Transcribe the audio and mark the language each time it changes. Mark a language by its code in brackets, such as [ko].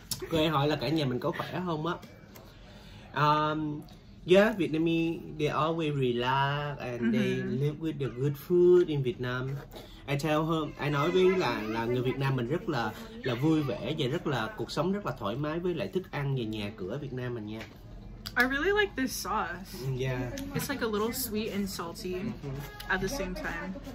[vi] Cô ấy hỏi là cả nhà mình có khỏe không á? [en] Yeah, Vietnamese, they always relax and they live with the good food in Vietnam. I tell her, I [vi] nói với là người Việt Nam mình rất là vui vẻ và rất là cuộc sống rất là thoải mái với lại thức ăn và nhà cửa Việt Nam mình nha. [en] I really like this sauce. Yeah. It's like a little sweet and salty at the same time.